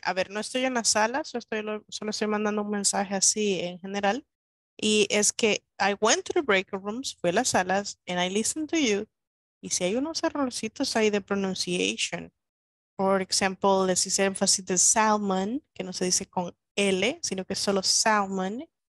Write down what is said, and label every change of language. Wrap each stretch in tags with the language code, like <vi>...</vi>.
<es>A ver, no estoy en la sala, solo estoy mandando un mensaje así en general. Y es que</es> <en>I went to the break rooms,</en> <es>fui a las salas,</es> <en>and I listened to you.</en> <es>Y si hay unos errorcitos ahí de pronunciation.</es> <en>For example,</en> <es>les hice énfasis de salmon, que no se dice con L, sino que es solo salmon.</es>